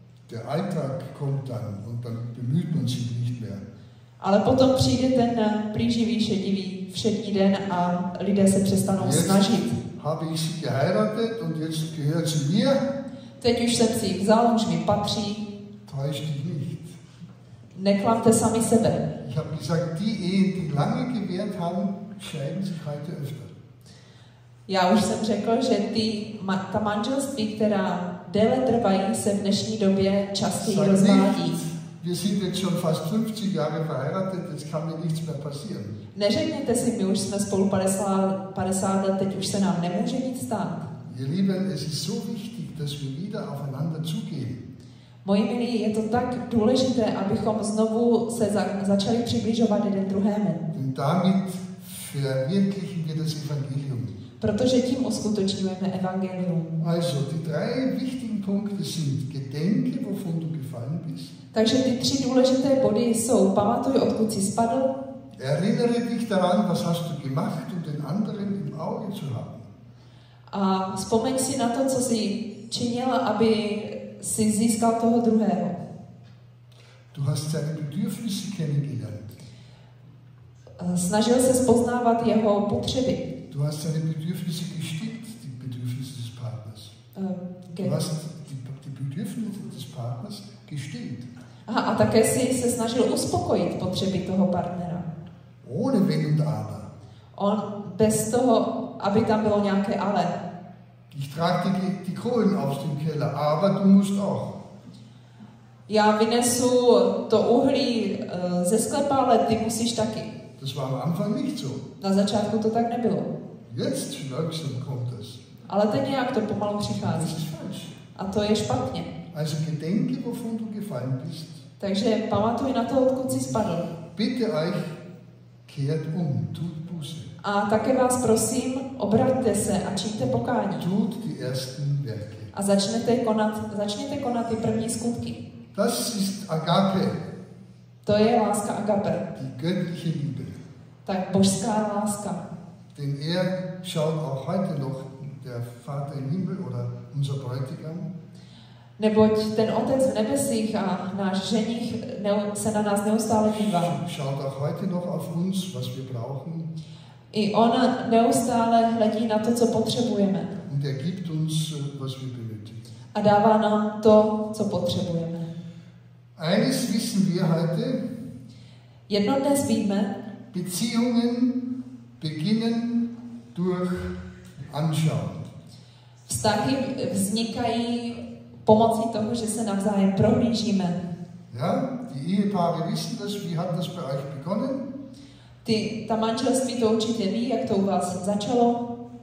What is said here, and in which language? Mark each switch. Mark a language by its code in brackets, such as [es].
[de] Der Alltag kommt dann und dann bemüht man sich nicht mehr. [cs] Ale potom přijde ten plíživý, šedivý všední den a lidé se přestanou [de] jetzt [cs] snažit. [de] Habe ich sie geheiratet und jetzt gehört sie mir. [cs] Teď už jsem si vzal, už mi patří. [de] Täusch dich nicht. [cs] Neklamte sami sebe. [de] Ich habe gesagt, die Ehen, die lange gewährt haben, scheiden sich heute öfter. [cs] Já už jsem řekl, že ta manželství, která déle trvají, se v dnešní době častěji rozvádí. [de] Wir sind jetzt schon fast 50 Jahre verheiratet, jetzt kann mir nichts mehr passieren. [cs] Neřekněte si, my už jsme spolu 50 let, teď už se nám nemůže nic stát. [de] Ihr Lieben, es ist so wichtig, dass wir wieder aufeinander zugehen. [cs] Moji milí, je to tak důležité, abychom znovu se začali přibližovat jeden druhému. [de] Denn damit verwirklichen wir das Evangelium. [cs] Protože tím uskutečňujeme evangelium. [de] Also, die drei wichtigen Punkte sind: Gedenke, wovon du gefallen bist. [cs] Takže ty tři důležité body jsou: pamatuj, odkud jsi spadl. [de] Erinnere dich daran, was hast du gemacht, um den anderen im Auge zu haben. [cs] A vzpomeň si na to, co jsi činil, aby si získal toho druhého. [de] Du hast seine Bedürfnisse kennengelernt. [cs] Snažil se poznávat jeho potřeby. [de] Du hast deine Bedürfnisse gestillt, die Bedürfnisse des Partners. Du hast die Bedürfnisse des Partners gestillt. [cs] Aha, a také jsi se snažil uspokojit potřeby toho partnera. [de] Ohne wenn und aber. [cs] On bez toho, aby tam bylo nějaké ale. [de] Ich trage die Kohlen aus dem Keller, aber du musst auch. [cs] Já vynesu to uhlí ze sklepa, ale ty musíš taky. [de] Das war am Anfang nicht so. [cs] Na začátku to tak nebylo. [de] Jetzt langsam kommt es. [cs] Ale teď nějak to pomalu přichází. A to je špatně. [de] Also gedenke, wovon du gefallen bist. [cs] Takže pamatuj na to, odkud jsi spadl. [de] Bitte euch, kehrt um, tut Buße. [cs] A také vás prosím, obraťte se a čiňte pokání. [de] Tut die ersten Werke. [cs] A začněte konat ty první skutky. [de] Das ist Agape. [cs] To je láska Agape. [de] Die göttliche Liebe. [cs] Tak božská láska. [de] Denn er schaut auch heute noch der Vater im Himmel oder unser Bräutigam. [cs] Neboť ten Otec v nebesích a náš ženich se na nás neustále dívá. [de] Schaut auch heute noch auf uns, was wir brauchen. [cs] I on neustále hledí na to, co potřebujeme. [de] Und er gibt uns, was wir benötigen. [cs] A dává nám to, co potřebujeme. [de] Eines wissen wir heute. [cs] Jedno dnes víme. [de] Beziehungen beginnen durch Anschauen. [cs] Vztahy vznikají pomocí toho, že se navzájem prohlížíme. [de] Ja, die Ehepaare wissen das, wie hat das bei euch begonnen? [cs] Ta manželství to určitě ví, jak to u vás začalo.